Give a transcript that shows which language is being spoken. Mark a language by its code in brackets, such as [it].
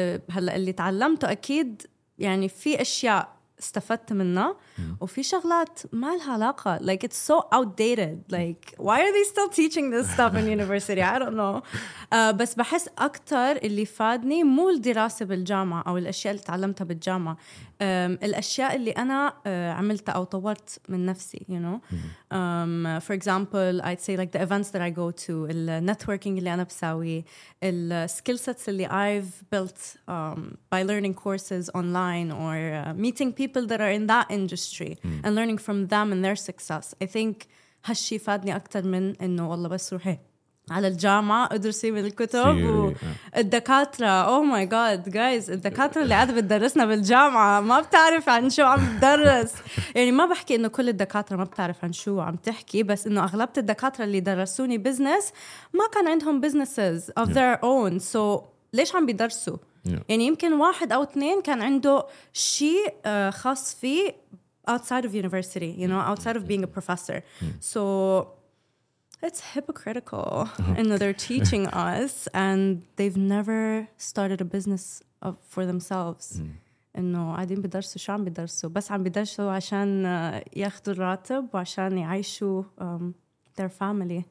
[ar] هلأ اللي تعلمته أكيد يعني في أشياء استفدت منها وفي شغلات ما لها علاقة. [en] Like it's so outdated. Like why are they still teaching this stuff in university? I don't know. [ar] بس بحس أكتر اللي فادني مو الدراسة بالجامعة أو الأشياء اللي تعلمتها بالجامعة. الأشياء اللي أنا عملتها أو طورت من نفسي. [en] You know. For example, I'd say like the events that I go to, the networking [ar] اللي أنا بساوي, [en] the skill sets [ar] اللي [en] I've built by learning courses online or meeting people that are in that industry and learning from them and their success. I think [ar] هالشي فادني أكتر من إنه والله بس روحي على الجامعة أدرسي بالكتب والدكاترة. [en] Oh my god guys, [ar] الدكاترة اللي عاد بتدرسنا بالجامعة ما بتعرف عن شو عم تدرس. يعني ما بحكي إنه كل الدكاترة ما بتعرف عن شو عم تحكي، بس إنه أغلب الدكاترة اللي درسوني بزنس ما كان عندهم [en] businesses of their own. [ar] So ليش عم بيدرسوا؟ يعني يمكن واحد أو اثنين كان عنده شيء خاص فيه [en] outside of university, you know, outside of being a professor. So it's hypocritical in that they're teaching us and they've never started a business for themselves. [ar] إنه عادين بدرسوا شو عم بدرسوا؟ بس عم بدرسوا عشان ياخدوا الراتب وعشان يعيشوا [en] their family.